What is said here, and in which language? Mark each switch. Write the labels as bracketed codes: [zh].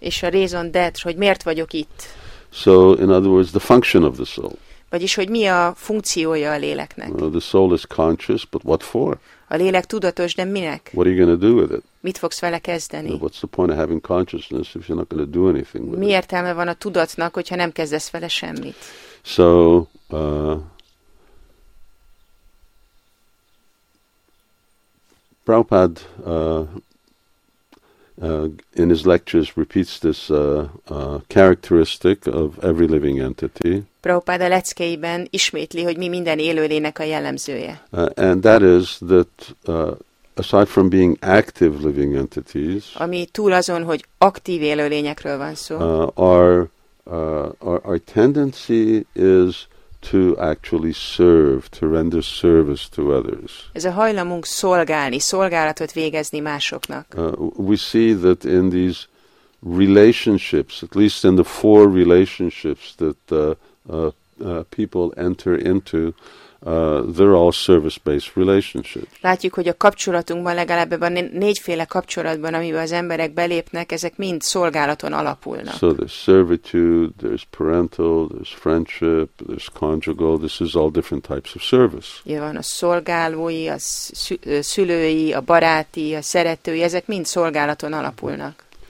[hu] És a raison d'être, hogy miért vagyok itt? [en] So, in other words, the function of the soul. [hu] Vagyis, hogy mi a funkciója a léleknek? [en] The soul is conscious, but what for? [hu] A lélek tudatos, de minek? [en] What are you going to do with it? [hu] Mit fogsz vele kezdeni? [en] What's the point of having consciousness if you're not going to do anything with [hu] it? Mi értelme van a tudatnak, hogyha nem kezdesz vele semmit? [en] So, Prabhupada in his lectures repeats this characteristic of every living entity. [hu] Prabhupada leckéiben ismétli, hogy mi minden élőlének a jellemzője. [en] And that is that aside from being active living entities, [hu] ami túl azon, hogy aktív élőlényekről van szó, [en] our tendency is to actually serve, to render service to others. [hu] Ez a hajlamunk szolgálni, szolgálatot végezni másoknak. [en] We see that in these relationships, at least in the four relationships that people enter into, they're all service-based relationships. [hu] Látjuk, hogy a kapcsolatunkban legalább ebben négyféle kapcsolatban, amiben az emberek belépnek, ezek mind szolgálaton alapulnak. [en] So there's servitude, there's parental, there's friendship, there's conjugal. This is all different types of service. [hu] Van a szolgálói, a szülői, a baráti, a szeretői, ezek mind szolgálaton alapulnak.